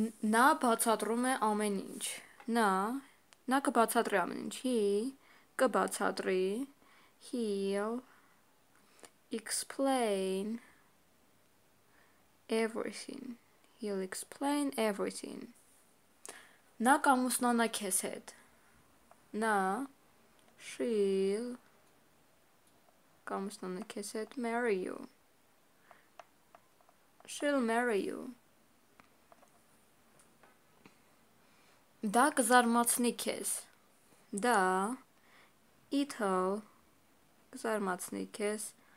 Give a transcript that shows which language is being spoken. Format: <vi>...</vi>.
<hy>Նա բացատրում է ամեն ինչ, նա կբացատրի ամեն ինչ, he կբացատրի, he'll explain everything.</hy> <en>He'll explain everything.</en> <hy>Նա կամուսնանա քեզ հետ. Նա, she'll կամուսնանա քեզ հետ, marry you.</hy> <en>She'll marry you.</en> <hy>Դա կզարմացնի քեզ. Դա, it'll կզարմացնի քեզ.</hy>